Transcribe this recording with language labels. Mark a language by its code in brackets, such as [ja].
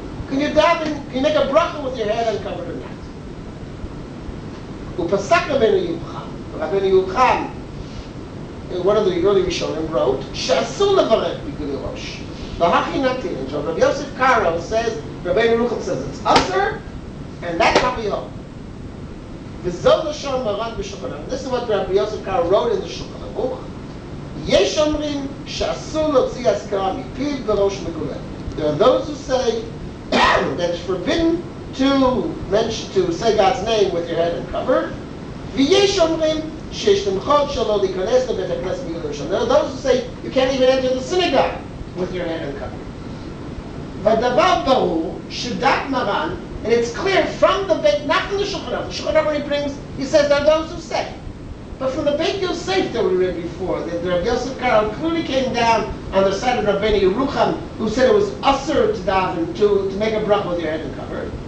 [en] Can you make a bracha with your head uncovered or not? [he] ופסק רבנו יוחנן, [en] one of the early Rishonim wrote, [he] שאסור לברך בגלי הראש. והכי נתין, [en] and Rav Yosef Karo says, רבנו יוחנן says, it's usher, and that's how we are. [he] וזו לשון מרן בשולחן ערוך. [en] This is what Rabbi Yosef Karo wrote in the Shulchan Aruch. [he] יש אומרים שאסור להוציא הזכרה מפיו וראש מגולה. [en] There are those who say that it's forbidden to say God's name with your head uncovered. [he] ויש אומרים שיש למחות שלא להיכנס לבית הכנסת בירושלים. [en] There are those who say you can't even enter the synagogue with your head uncovered. [he] והדבר ברור שדעת מרן, [en] and it's clear from the Beit, not from the Shulchan Aruch. The Shulchan Aruch he brings, he says, there are those who say. But from the Beit Yosef that we read before, that Rabbi Yosef Karo clearly came down on the side of Rabbeinu Yerucham, who said it was usur to daven, to make a bracha with your head uncovered.